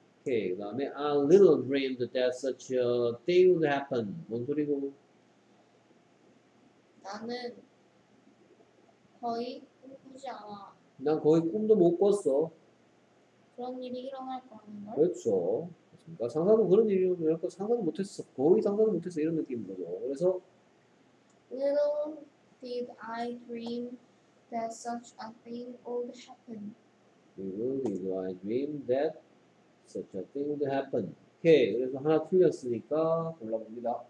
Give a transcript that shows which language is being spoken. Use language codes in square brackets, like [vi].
[ko] 오케이, 그 다음에 [en] I little dreamed that such a thing would happen. [ko] 뭔 소리고? 나는 거의 꿈꾸지 않아. 난 거의 꿈도 못 꿨어. 그런 일이 일어날 거라는 걸? 그렇죠. 그러니까 상상도 그런 일이 일어날 거 상상도 못했어. 거의 상상도 못했어. 이런 느낌인 거죠. 그래서 [en] Little did I dream that such a thing would happen. Little did I dream that such a thing would happen. [ko] 오케이. 그래서 하나 틀렸으니까 골라봅니다.